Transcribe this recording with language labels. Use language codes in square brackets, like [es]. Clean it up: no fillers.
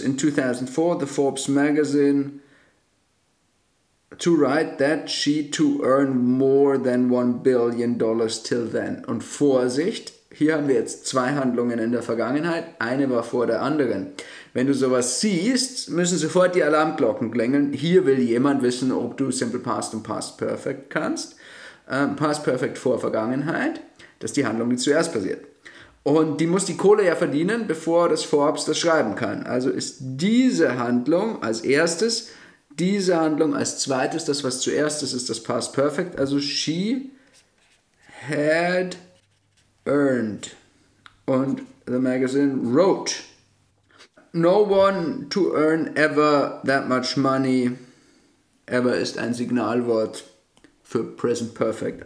[en] In 2004, the Forbes magazine to write that she to earn more than $1 billion till then. [de] Und Vorsicht, hier haben wir jetzt zwei Handlungen in der Vergangenheit. Eine war vor der anderen. Wenn du sowas siehst, müssen sofort die Alarmglocken klingeln. Hier will jemand wissen, ob du Simple Past und Past Perfect kannst. Past Perfect vor Vergangenheit. Das ist die Handlung, die zuerst passiert. Und die muss die Kohle ja verdienen, bevor das Forbes das schreiben kann. Also ist diese Handlung als erstes, diese Handlung als zweites, das was zuerst ist, ist das Past Perfect. [en] Also she had earned und the magazine wrote. No one to earn ever that much money. [de] Ever ist ein Signalwort für Present Perfect.